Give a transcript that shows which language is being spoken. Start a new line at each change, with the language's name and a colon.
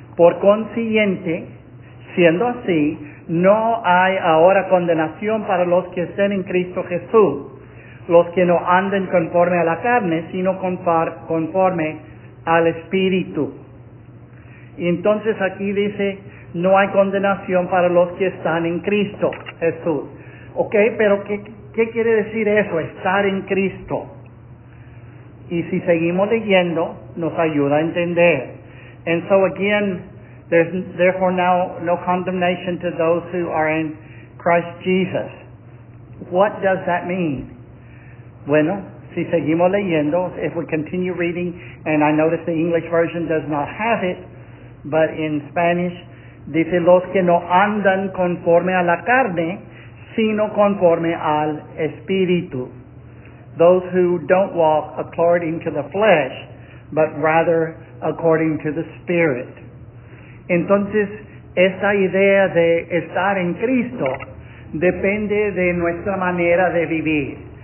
Spanish: Por consiguiente, siendo así, no hay ahora condenación para los que estén en Cristo Jesús, los que no anden conforme a la carne, sino conforme al Espíritu. Y entonces aquí dice, no hay condenación para los que están en Cristo Jesús. Ok, pero ¿qué quiere decir eso, estar en Cristo? Y si seguimos leyendo, nos ayuda a entender.
English: And so again, there's therefore now no condemnation to those who are in Christ Jesus. What does that mean?
Spanish: Bueno, si seguimos leyendo,
English: if we continue reading, and I notice the English version does not have it, but in Spanish,
Spanish: dice, los que no andan conforme a la carne, sino conforme al Espíritu.
English: Those who don't walk according to the flesh, but rather according to the Spirit.
Spanish: Entonces, esta idea de estar en Cristo depende de nuestra manera de vivir.